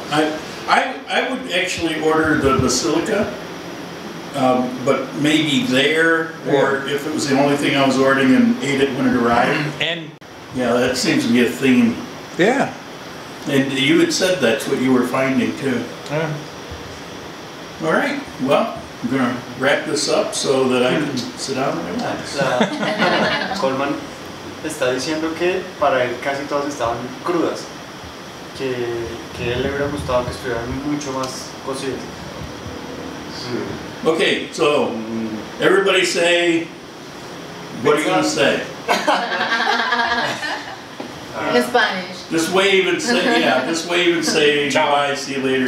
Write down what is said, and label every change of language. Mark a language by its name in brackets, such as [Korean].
[English] I would actually order the Basilica, but maybe there, or if it was the only thing I was ordering and ate it when it arrived. And yeah, that seems to be a theme. Yeah. And you had said that's what you were finding, too. Yeah. All right, well, I'm going to wrap this up so that I can sit down and relax. [Spanish] Coleman está diciendo que para él casi todas estaban crudas, que él le hubiera gustado que estuvieran mucho más cocidas. [English] Okay, so everybody say, what are you going to say? In Spanish. Just wave and say, ciao, bye, see you later.